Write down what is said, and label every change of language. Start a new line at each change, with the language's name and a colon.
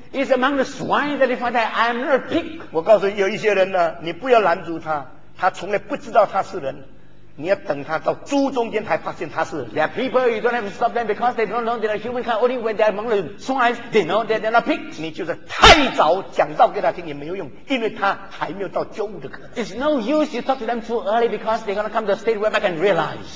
English: It's among the swine that he find that I'm not a pig.
Chinese: 我告诉有一些人呢，你不要拦住他，他从来不知道他是人。你要等他到猪中间才发现他是。
English: There are people you don't have to stop them because they don't know they're human kind. Only when they're among the swine, they know that they're not pig.
Chinese: 你就是太早讲道给他听也没有用，因为他还没有到觉悟的可能。
English: It's no use you talk to them too early because they're gonna come to a state where I can realize.